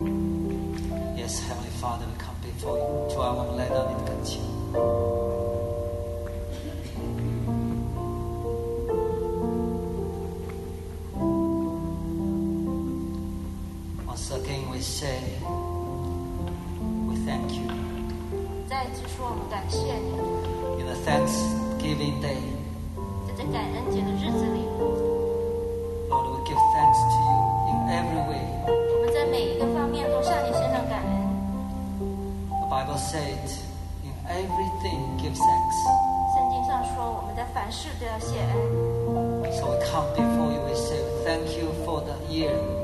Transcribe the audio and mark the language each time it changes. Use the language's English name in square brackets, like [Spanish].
[English] Yes, Heavenly Father, we come before you to our own land and in Gentium. Once again, we say, we thank you. [Chinese] 再次说我们感谢你。 [English] In the Thanksgiving day, [Chinese] 在感恩节的日子里, [English] Lord, we give thanks to you in every way. [Chinese] 我们在每一个方面都向你献上感恩。 [English] The Bible said, in everything give thanks. [Chinese] 圣经上说我们在凡事都要谢恩。 [English] So we come before you, we say thank you for the year.